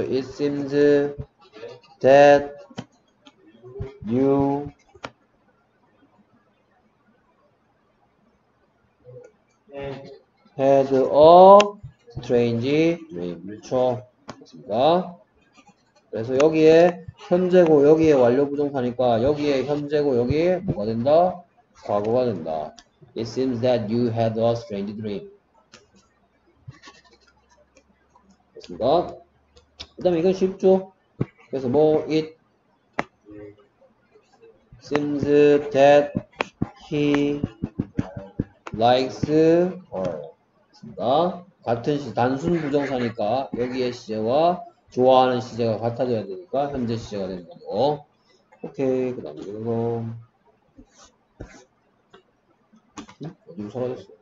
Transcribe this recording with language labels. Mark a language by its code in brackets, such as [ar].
[en] It seems that you had a strange dream. [ko] 그렇죠. 맞습니다. 그래서 여기에 현재고 여기에 완료부정사니까 여기에 현재고 여기에 뭐가 된다? 과거가 된다. [en] It seems that you had a strange dream. [ko] 됐습니다. 그 다음에 이건 쉽죠? 그래서 뭐 [en] it seems that he likes her. [ko] 됐습니다. 같은 시 단순 부정사니까 여기에 시제와 좋아하는 시제가 같아져야 되니까 현재 시제가 되는 거죠. 오케이. 그 다음에 이런 거 어디로 사라졌어?